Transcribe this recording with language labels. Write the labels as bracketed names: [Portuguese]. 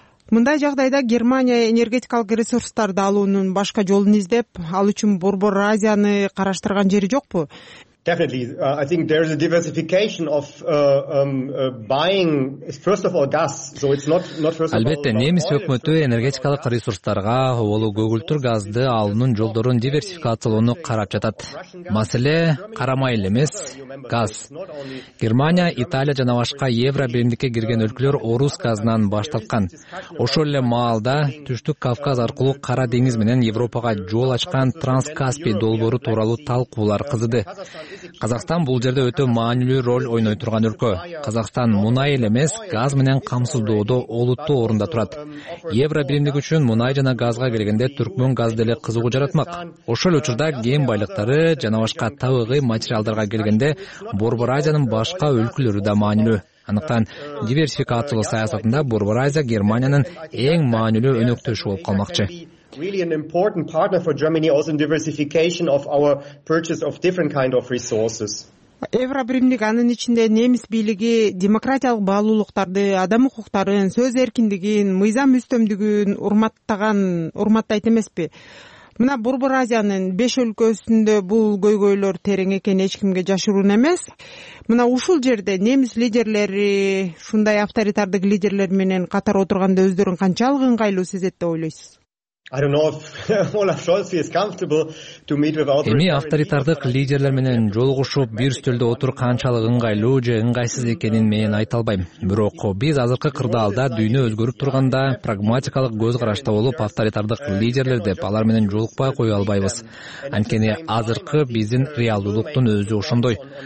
[Kyrgyz] Мындай жагдайда Германия энергетикалык ресурстарды алуунун башка жолун издеп, ал үчүн Борбор Азияны караштырган жери жокпу? [English] Definitely. I think there is a diversification of buying first of all gas. So it's not first of all. [Kyrgyz] Албетте, немис өкмөтү энергетикалык ресурстарга оолу көгүлтүр газды алуунун жолдорун диверсификациялоону карап жатат. Маселе карамай эле эмес, газ. Германия, Италия жана башка Евробиримдикке кирген өлкөлөр орус газынан баш тарткан. Ошол эле маалда Түштүк Кавказ аркылуу Кара деңиз менен Европага жол ачкан Транскаспий долбоору тууралуу талкуулар кызыды. Казакстан бул жерде өтө маанилүү роль ойной турган өлкө. Казакстан мунай эле эмес, газ менен камсыздоодо олуттуу орунда турат. Евро биримдиги үчүн мунай жана газга келгенде түркмөн газ деле кызыгуу жаратмак. Ошол эле учурда кен байлыктары жана башка табигый материалдарга келгенде Борбор Азиянын башка өлкөлөрү да маанилүү. Андыктан диверсификациялоо саясатында Борбор Азия Германиянын эң маанилүү өнөктөшү болуп калмакчы. [English] Really an important partner for Germany also in diversification of our purchase of different kind of resources. [Kyrgyz] Евро биримдиги анын ичинде немис бийлиги демократиялык баалуулуктарды, адам укуктарын, сөз эркиндигин, мыйзам үстөмдүгүн урматтайт эмеспи? Мына Борбор Азиянын 5 өлкөсүндө бул көйгөйлөр терең экен эч кимге жашыруун эмес. Мына ушул жерде немис лидерлери ушундай авторитардык лидерлер менен катар отурганда өздөрүн канчалык ыңгайлуу сезет деп ойлойсуз? [English] I don't know if Olaf Scholz is comfortable to meet with other. [Kyrgyz] Эми авторитардык лидерлер менен жолугушуп бир үстөлдө отуруу канчалык ыңгайлуу же ыңгайсыз экенин мен айта албайм. Бирок биз азыркы кырдаалда дүйнө өзгөрүп турганда прагматикалык көз карашта болуп авторитардык лидерлер деп алар менен жолукпай кое албайбыз. Анткени азыркы биздин реалдуулуктун өзү ошондой.